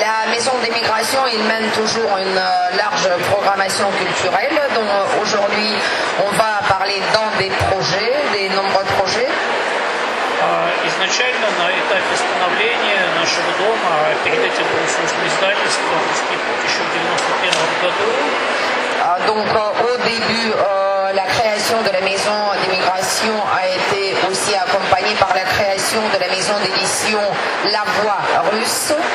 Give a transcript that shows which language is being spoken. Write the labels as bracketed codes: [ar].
[fr] La maison d'émigration, il mène toujours une large programmation culturelle, dont aujourd'hui on va parler dans des projets, des nombreux projets. [ru] Изначально на этапе становления нашего дома, перед этим было создано издательство «Русский путь» еще в 91 году. [fr] Donc au début, la création de la maison d'immigration a été aussi accompagnée par la création de la maison d'édition La Voix russe.